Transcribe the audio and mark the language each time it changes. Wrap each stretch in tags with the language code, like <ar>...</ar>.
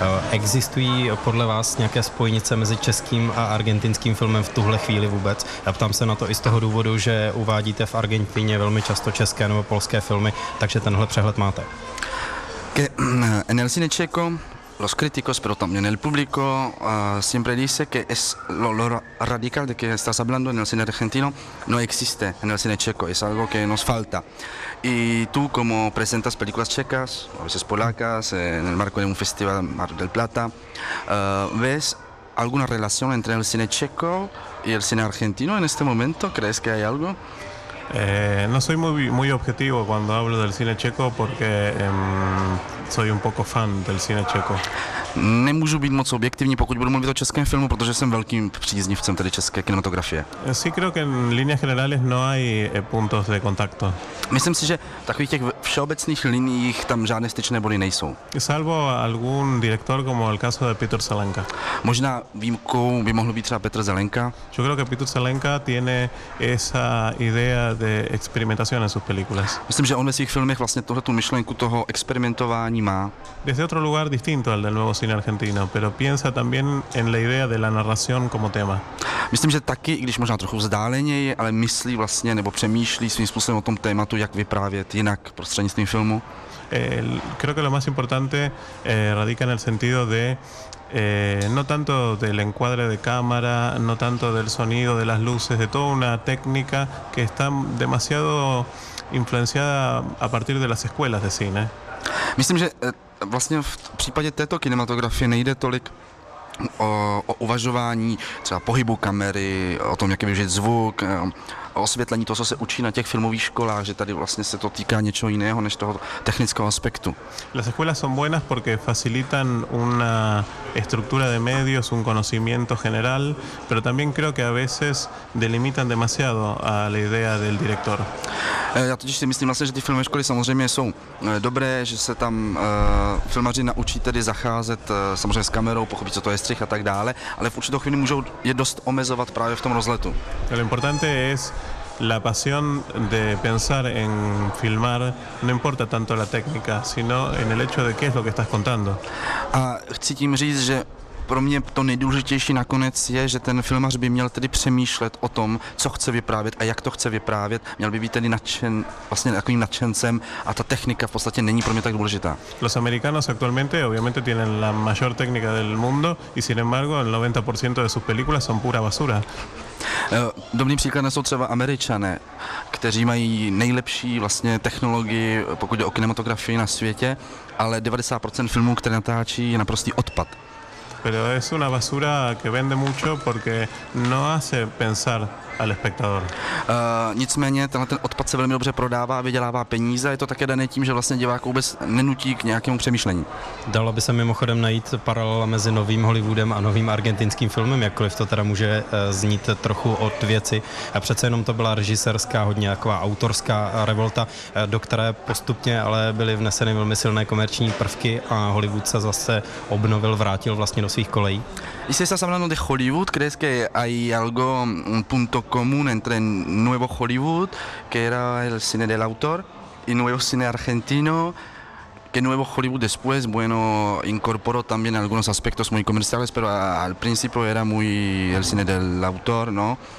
<cs>Existují podle vás nějaké spojnice mezi českým a argentinským filmem v tuhle chvíli vůbec? Já ptám se na to i z toho důvodu, že uvádíte v Argentině velmi často české nebo polské filmy, takže tenhle přehled máte.</cs> <es>En el cine checo, los críticos, pero también el público, siempre dice que es lo radical de que estás hablando en el cine argentino no existe en el cine checo, es algo que nos falta. Y tú, como presentas películas checas, a veces polacas, en el marco de un festival Mar del Plata, ¿ves alguna relación entre el cine checo y el cine argentino en este momento? ¿Crees que hay algo? No soy muy objetivo cuando hablo del cine checo porque soy un poco fan del cine checo.</es> <cs>Nemůžu být moc objektivní, pokud budu mluvit o českém filmu, protože jsem velkým příznivcem tedy české kinematografie.</cs> <es>Sí, creo que en líneas generales no hay puntos de contacto.</es> <cs>Myslím si, že v takových těch všeobecných liniích tam žádné styčné body nejsou.</cs> <es>Salvo algún director como el caso de Peter Zelenka.</es> <cs>Možná výjimkou by mohl být třeba Petr Zelenka.</cs> <es>Yo creo que Peter Zelenka tiene esa idea de experimentación en sus películas.</es> <cs>Myslím, že on ve svých filmech vlastně tohle tu myšlenku toho experimentování má.</cs> <es>Desde otro lugar distinto al del nuevo cine argentino, pero piensa también en la idea de la narración como tema.</es> <cs>Myslím, že taky, i když možná trochu vzdáleněji, ale myslí vlastně nebo přemýšlí svým způsobem o tom tématu, jak vyprávět jinak prostřednictvím filmu.</cs> <es>Creo que lo más importante radica en el sentido de no tanto del encuadre de cámara, no tanto del sonido, de las luces, de toda una técnica que está demasiado influenciada a partir de las escuelas de cine.</es> <cs>Myslím, že vlastně v případě této kinematografie nejde tolik o uvažování třeba pohybu kamery, o tom, jak je využít zvuk, o osvětlení toho, co se učí na těch filmových školách, že tady vlastně se to týká něčeho jiného než toho technického aspektu.</cs> <es>Las escuelas son buenas porque facilitan una estructura de medios, un conocimiento general, pero también creo que a veces delimitan demasiado a la idea del director.</es> <cs>Já totiž si myslím vlastně, že ty filmové školy samozřejmě jsou dobré, že se tam filmaři naučí tedy zacházet samozřejmě s kamerou, pochopit, co to je střih a tak dále, ale v určitou chvíli můžou je dost omezovat právě v tom rozletu.</cs> <es>Lo importante es la pasión de pensar en filmar, no importa tanto la técnica, sino en el hecho de qué es lo que estás contando.</es> <cs>A chci tím říct, že pro mě to nejdůležitější nakonec je, že ten filmař by měl tedy přemýšlet o tom, co chce vyprávět a jak to chce vyprávět. Měl by být tedy nadšen, vlastně takovým nadšencem a ta technika v podstatě není pro mě tak důležitá.</cs> <es>Los americanos actualmente obviamente tienen la mayor técnica del mundo y sin embargo el 90% de sus películas son pura basura.</es> <cs>Dobrým příkladem jsou třeba Američané, kteří mají nejlepší vlastně technologii, pokud jde o kinematografii na světě, ale 90% filmů, které natáčí, je naprostý odpad.</cs> <es>Pero es una basura que vende mucho porque no hace pensar al espectador.</es> <cs>Nicméně tenhle ten odpad se velmi dobře prodává a vydělává peníze. Je to také dané tím, že vlastně divák vůbec nenutí k nějakému přemýšlení. Dalo by se mimochodem najít paralela mezi novým Hollywoodem a novým argentinským filmem, jakkoliv to teda může znít trochu od věci. A přece jenom to byla režisérská, hodně taková autorská revolta, do které postupně ale byly vneseny velmi silné komerční prvky a Hollywood se zase obnovil, vrátil vlastně do svých kolejí. Jestli se</cs> <es>hablando de Hollywood, ¿crees que hay algo punto común entre nuevo Hollywood, que era el cine del autor, y nuevo cine argentino, que nuevo Hollywood después, bueno, incorporó también algunos aspectos muy comerciales, pero al principio era muy el cine del autor, ¿no?</es>